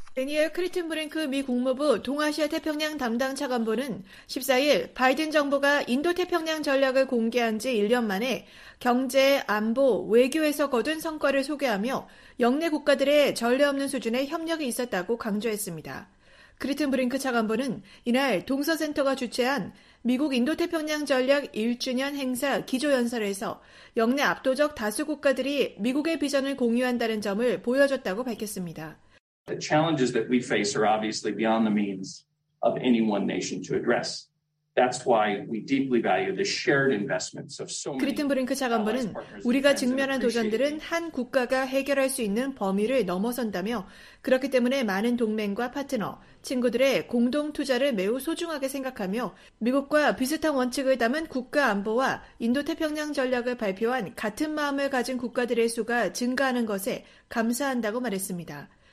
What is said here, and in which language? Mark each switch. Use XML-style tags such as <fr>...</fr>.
<ko>대니엘 크리튼브랭크 미 국무부 동아시아 태평양 담당 차관보는 14일 바이든 정부가 인도태평양 전략을 공개한 지 1년 만에 경제, 안보, 외교에서 거둔 성과를 소개하며 영내 국가들의 전례 없는 수준의 협력이 있었다고 강조했습니다. 크리튼브랭크 차관보는 이날 동서센터가 주최한 미국 인도태평양 전략 1주년 행사 기조연설에서 영내 압도적 다수 국가들이 미국의 비전을 공유한다는 점을 보여줬다고 밝혔습니다.</ko> <en>The challenges that we face are obviously beyond the means of any one nation to address. That's why we deeply value the shared investments of so many.</en> <ko>크리튼브링크 차관보는 우리가 직면한 도전들은 한 국가가 해결할 수 있는 범위를 넘어선다며 그렇기 때문에 많은 동맹과 파트너, 친구들의 공동 투자를 매우 소중하게 생각하며 미국과 비슷한 원칙을 담은 국가 안보와 인도 태평양 전략을 발표한 같은 마음을 가진 국가들의 수가 증가하는 것에 감사한다고 말했습니다.</ko>